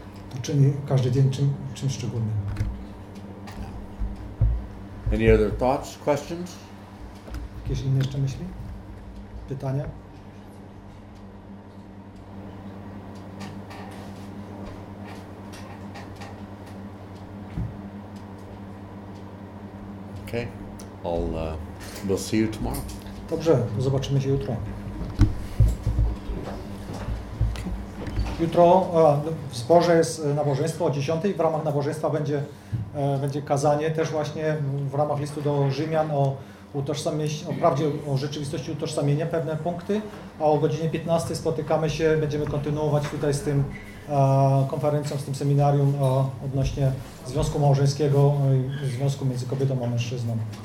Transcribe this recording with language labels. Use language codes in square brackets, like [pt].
[pl] To czyni każdy dzień czymś szczególnym. [en] Any other thoughts, questions? [pl] Jakieś inne jeszcze myśli? Pytania? [en] Okay. I'll we'll see you tomorrow. [pl] Dobrze, zobaczymy się jutro. Jutro w zborze jest nabożeństwo o 10:00. W ramach nabożeństwa będzie kazanie też właśnie w ramach listu do Rzymian o prawdzie, o rzeczywistości utożsamienia, pewne punkty, a o godzinie 15:00 spotykamy się, będziemy kontynuować tutaj z tym konferencją, z tym seminarium odnośnie związku małżeńskiego, związku między kobietą a mężczyzną.